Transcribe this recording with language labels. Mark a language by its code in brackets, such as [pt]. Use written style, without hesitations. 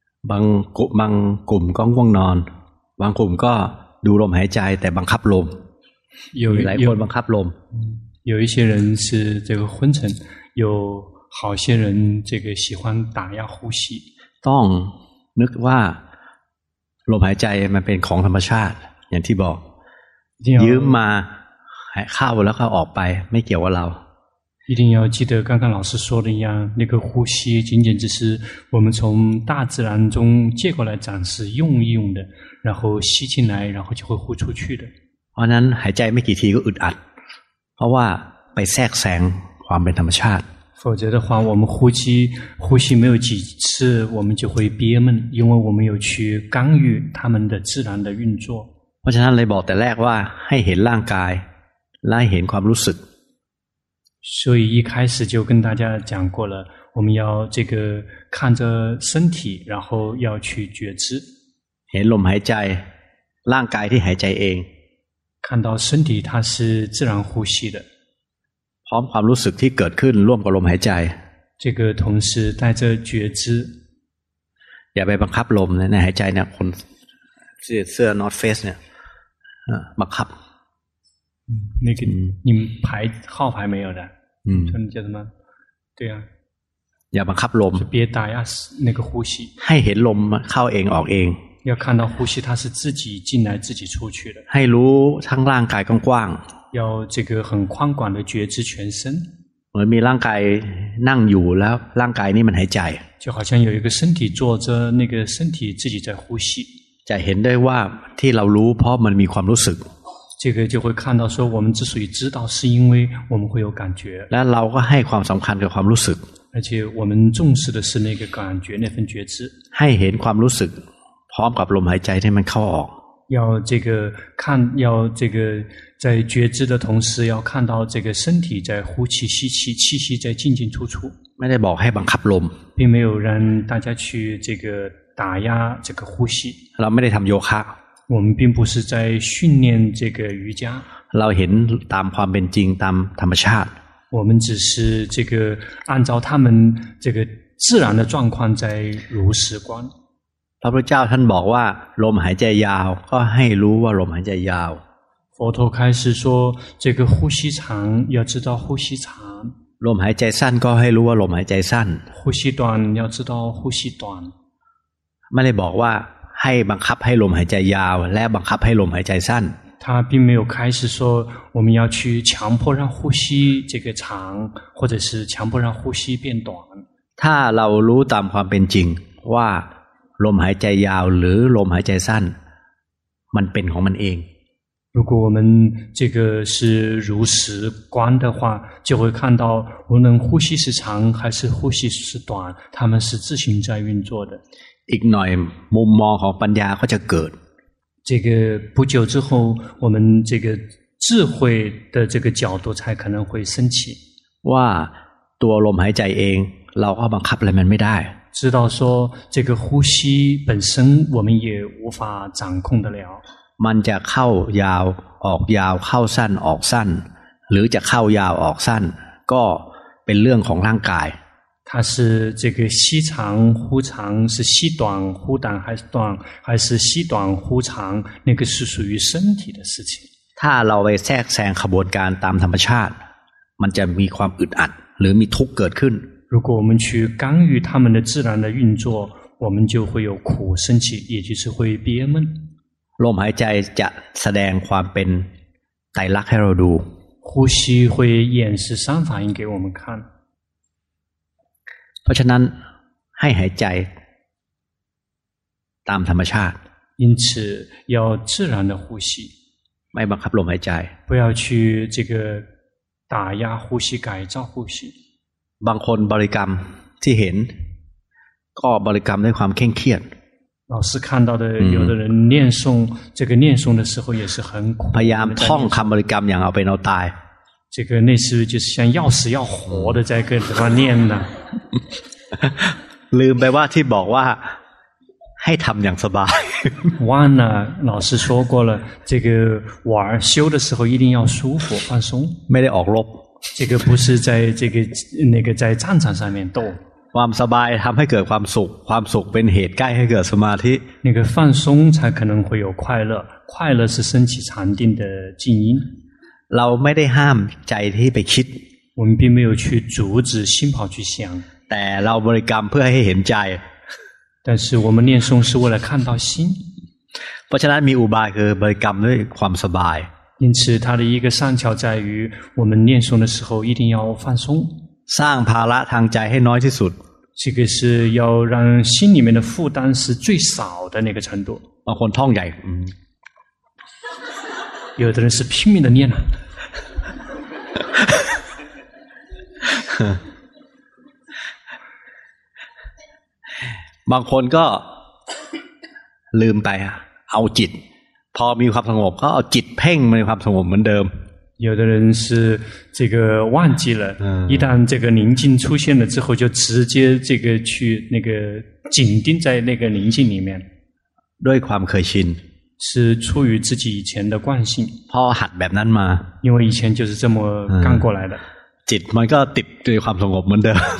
[th] บางกลุ่มก็ง่วงนอนบางกลุ่มก็ดูลมหายใจแต่บังคับลม มี หลายคนบังคับลม [zh] 有一些人是这个昏沉，有好些人这个喜欢打压呼吸 [th] ต้องนึกว่าลมหายใจมันเป็นของธรรมชาติอย่างที่บอกยืมมาเข้าแล้วก็ออกไปไม่เกี่ยวกับเรา [zh] 一定要记得刚刚老师说的一样，那个呼吸仅仅只是我们从大自然中借过来暂时用一用的，然后吸进来，然后就会呼出去的。 [th] เพราะนั้นหายใจไม่กี่ทีก็อึดอัดเพราะว่าไปแทรกแซงความเป็นธรรมชาติ [zh] 否则的话我们呼吸没有几次我们就会憋闷因为我们有去干预他们的自然的运作 [th] เพราะฉะนั้นเลยบอกแต่แรกว่าให้เห็นร่างกายและเห็นความรู้สึก [zh] 所以一开始就跟大家讲过了我们要这个看着身体然后要去觉知 [th] เห็นลมหายใจร่างกายที่หายใจเอง [zh] 看到身体它是自然呼吸的 [th] พร้อมความรู้สึกที่เกิดขึ้นร่วมกับลมหายใจ [zh] 这个同时带着觉知 [th] อย่าไปบังคับลมในหายใจเนี่ยคนเสื้อ North Face เนี่ยบังคับ [zh] 那个你们牌号牌没有的叫什么对啊 [th] อย่าบังคับลม [zh] 别打压那个呼吸 [th] ให้เห็นลมเข้าเองออกเอง [zh] 要看到呼吸它是自己进来自己出去的 [th] ให้รู้ทั้งร่างกายกว้าง [zh] 要这个很宽广的觉知全身 [th] เหมือนมีร่างกายนั่งอยู่แล้วร่างกายนี้มันหายใจ [zh] 就好像有一个身体坐着那个身体自己在呼吸 [th] จะเห็นได้ว่าที่เรารู้เพราะมันมีความรู้สึก [zh] 这个就会看到说我们之所以知道是因为我们会有感觉 [th] และเราก็ให้ความสำคัญกับความรู้สึก [zh] 而且我们重视的是那个感觉那份觉知 [th] ให้เห็นความรู้สึกพร้อมกับลมหายใจที่มันเข้าออก [zh] 要这个看要这个在觉知的同时要看到这个身体在呼气吸气气息在进进出出 [th] ไม่ได้บอกให้บังคับลม [zh] 并没有让大家去这个打压这个呼吸 [th] เราไม่ได้ทำโยคะ [zh] 我们并不是在训练这个瑜伽 [th] เราเห็นตามความเป็นจริงตามธรรมชาติ [zh] 我们只是这个按照他们这个自然的状况在如实观 [th] พระพุทธเจ้าท่านบอกว่าลมหายใจยาวก็ให้รู้ว่าลมหายใจยาว [zh] 佛陀开始说这个呼吸长要知道呼吸长 [th] ลมหายใจสั้นก็ให้รู้ว่าลมหายใจสั้น [zh] 呼吸短要知道呼吸短 [th] ไม่ได้บอกว่าให้บังคับให้ลมหายใจยาวและบังคับให้ลมหายใจสั้น [zh] 他并没有开始说我们要去强迫让呼吸这个长或者是强迫让呼吸变短 [th] ถ้าเรารู้ตามความเป็นจริงว่าลมหายใจยาวหรือลมหายใจสั้นมันเป็นของมันเอง [zh] 如果我们这个是如实观的话就会看到无论呼吸是长还是呼吸是短它们是自行在运作的 [th] อีกหน่อยมุมมองของปัญญาก็จะเกิด [zh] 这个不久之后我们这个智慧的这个角度才可能会升起 [th] ว่าตัวลมหายใจเองเราก็บังคับอะไรมันไม่ได้ [zh] 知道说这个呼吸本身我们也无法掌控得了 [th] มันจะเข้ายาวออกยาวเข้าสั้นออกสั้นหรือจะเข้ายาวออกสั้นก็เป็นเรื่องของร่างกาย [zh] 它是这个吸长呼长是吸短呼短还是短还是吸短呼长那个是属于身体的事情 [th] ถ้าเราไปแทรกแซงขบวนการตามธรรมชาติมันจะมีความอึดอัดหรือมีทุกข์เกิดขึ้น [zh] 如果我们去干预他们的自然的运作我们就会有苦升起也就是会憋闷 [th] ลมหายใจจะแสดงความเป็นไตรลักษณ์ให้เราดู [zh] 呼吸会演示三反应给我们看 [th] เพราะฉะนั้นให้หายใจตามธรรมชาติ [zh] 因此要自然的呼吸 [th] ไม่บังคับลมหายใจ [zh] 不要去这个打压呼吸改造呼吸 [th] บางคนบริกรรมที่เห็นก็บริกรรมด้วยความเคร่งเครียด [zh] 老师看到的有的人念诵这个念诵的时候也是很苦 [th] พยายามท่องคำบริกรรมอย่างเอาเป็นเอาตาย [zh] 这个类似就是像要死要活的在跟他们念呢 [th] ลืมไปว่าที่บอกว่าให้ทำอย่างสบาย [zh] 忘了老师说过了这个玩修的时候一定要舒服放松 [th] ไม่ได้ออกรบ [zh] 这个不是在这个那个在战场上面斗 [th] ความสบายทำให้เกิดความสุขความสุขเป็นเหตุใกล้ให้เกิดสมาธิ [zh] 那个放松才可能会有快乐快乐是升起禅定的静音 [th] เราไม่ได้ห้ามใจที่ไปคิด [zh] 我们并没有去阻止心跑去想 [th] แต่เราบริกรรมเพื่อให้เห็นใจ [zh] 但是我们念诵是为了看到心 [th] เพราะฉะนั้นมีอุบายคือบริกรรมด้วยความสบาย [zh] 因此它的一个上窍在于我们念诵的时候一定要放松 [th] สร้างภาระทางใจให้น้อยที่สุด [zh] 这个是要让心里面的负担是最少的那个程度 [th] บางคนท่องใหญ่ [zh] 有的人是拼命的念了 [th] บางคนก็ลืมไปเอาจิตพอมีความสงบก็เอาจิตเพ่งมีความสงบเหมือนเดิม [zh] 有的人是这个忘记了一旦这个宁静出现了之后就直接这个去那个紧盯在那个宁静里面 [th] ด้วยความเคยชิน [zh] 是出于自己以前的惯性 [th] พอหัดแบบนั้นมา [zh] 因为以前就是这么干过来的 [th] จิตมันก็ติดด้วยความสงบเหมือนเดิม